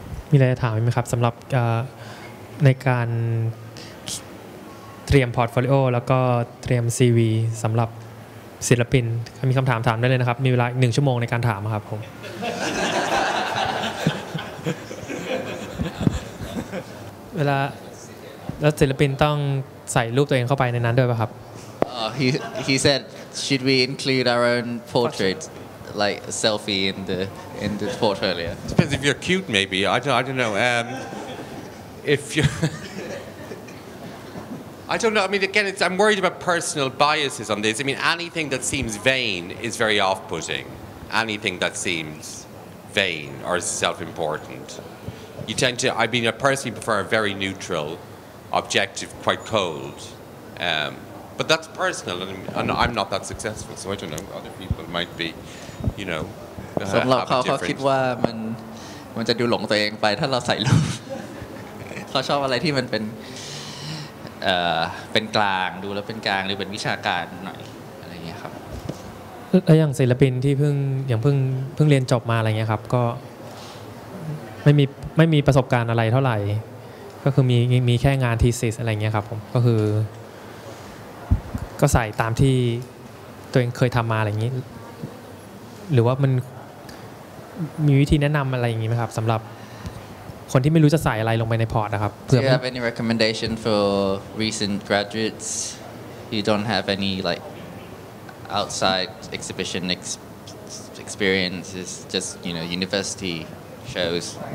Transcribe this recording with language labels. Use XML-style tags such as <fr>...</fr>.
<th>มีอะไรจะถามไหมครับสำหรับในการเตรียมพอร์ตโฟลิโอแล้วก็เตรียม CV สำหรับศิลปินมีคำถามถามได้เลยนะครับมีเวลา1ชั่วโมงในการถามครับผม เวลาแล้วศิลปินต้องใส่รูปตัวเองเข้าไปในนั้นด้วยป่ะครับ</th> <en>He said should we include our own portrait like selfie in the portfolio depends if you're cute maybe I don't know if you I don't know. I mean, again, I'm worried about personal biases on this. I mean, anything that seems vain is very off-putting. Anything that seems vain or self-important. You tend to, I mean, I personally prefer a very neutral, objective, quite cold. But that's personal, and I'm not that successful, so I don't know. Other people might be, you know, have a different... Some of them think that it's going to be lost if we put it on. They like something that's...</en> <th>เป็นกลางดูแล้วเป็นกลางหรือเป็นวิชาการหน่อยอะไรเงี้ยครับ แล้วอย่างศิลปินที่เพิ่งเรียนจบมาอะไรเงี้ยครับก็ไม่มีประสบการณ์อะไรเท่าไหร่ก็คือมีแค่งานทีซิสอะไรเงี้ยครับผมก็คือก็ใส่ตามที่ตัวเองเคยทำมาอะไรเงี้ยหรือว่ามันมีวิธีแนะนำอะไรอย่างงี้ไหมครับสำหรับคนที่ไม่รู้จะใส่อะไรลงไปในพอร์ตนะครับ เพื่อ</th> <en>Do you have any recommendation for recent graduates? You don't have any like outside exhibition experiences, just you know university shows.</en>